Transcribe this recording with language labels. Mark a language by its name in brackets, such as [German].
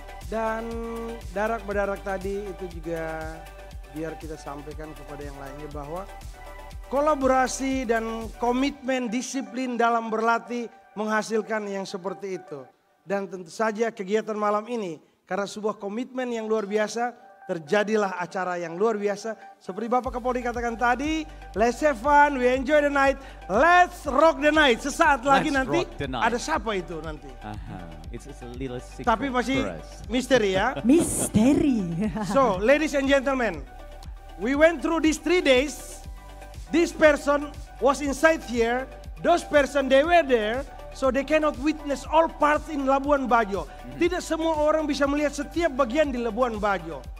[Indonesian] Dan Darak Badarak tadi itu juga biar kita sampaikan kepada yang lainnya bahwa kolaborasi dan komitmen disiplin dalam berlatih menghasilkan yang seperti itu. Dan tentu saja kegiatan malam ini karena sebuah komitmen yang luar biasa terjadilah acara yang luar biasa. Seperti Bapak Kapolri katakan tadi, [English] let's have fun, we enjoy the night, let's rock the night. [Indonesian] Sesaat lagi [English] let's [Indonesian] nanti ada siapa itu nanti. [English] It's a little secret. [Indonesian] Tapi masih misteri ya. Misteri. [English] So, ladies and gentlemen, we went through these 3 days. This person was inside here. Those person, they were there. So they cannot witness all parts in Labuan Bajo. [Indonesian] Tidak semua orang bisa melihat setiap bagian di Labuan Bajo.